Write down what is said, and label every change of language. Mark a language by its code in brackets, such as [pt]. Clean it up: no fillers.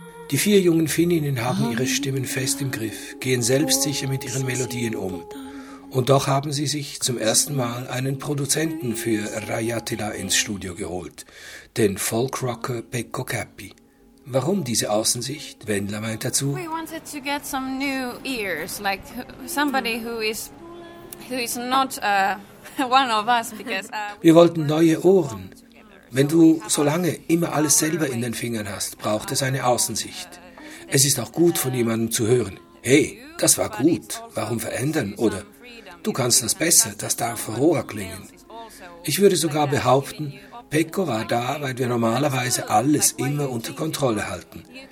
[de] Die vier jungen Finninnen haben ihre Stimmen fest im Griff, gehen selbstsicher mit ihren Melodien um. Und doch haben sie sich zum ersten Mal einen Produzenten für Rajatila ins Studio geholt, den Folkrocker Pekko Käppi. Warum diese Außensicht? Wendler meint dazu: [en] We wanted to get some new ears, like somebody who is not one of us, because [de] wir wollten neue Ohren. Wenn du so lange immer alles selber in den Fingern hast, braucht es eine Außensicht. Es ist auch gut, von jemandem zu hören: Hey, das war gut, warum verändern? Oder du kannst das besser, das darf roher klingen. Ich würde sogar behaupten, Pekko war da, weil wir normalerweise alles immer unter Kontrolle halten.